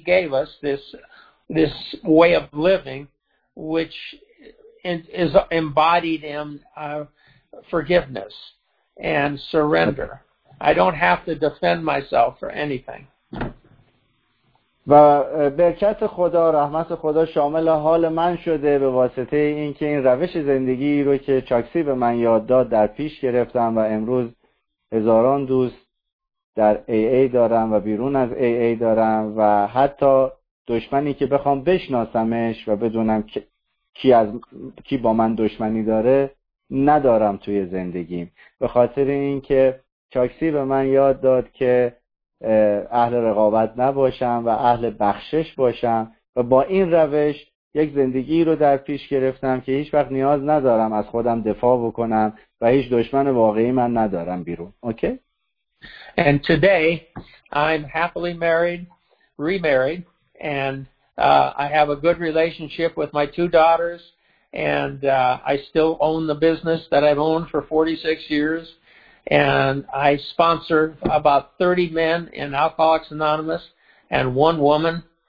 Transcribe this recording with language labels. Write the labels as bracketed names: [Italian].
[English] gave us, this way of living, which is embodied in forgiveness and surrender. I don't have to defend myself for anything. [Persian] و برکت خدا، رحمت خدا شامل حال من شده به واسطه اینکه این روش زندگی رو که چاکسی به من یاد داد در پیش گرفتم و امروز هزاران دوست در AA دارم و بیرون از AA دارم و حتی دشمنی که بخوام بشناسمش و بدونم کی با من دشمنی داره ندارم توی زندگیم، به خاطر اینکه چاکسی به من یاد داد که اهل رقابت نباشم و اهل بخشش باشم و با این روش یک زندگی رو در پیش گرفتم که هیچ وقت نیاز ندارم از خودم دفاع بکنم و هیچ دشمن واقعی من ندارم بیرون. اوکی؟ [English] And today I'm happily married, remarried, and I have a good relationship with my two daughters, and I still own the business that I've owned for 46 years. And I sponsor about 30 men in Alcoholics Anonymous and one woman.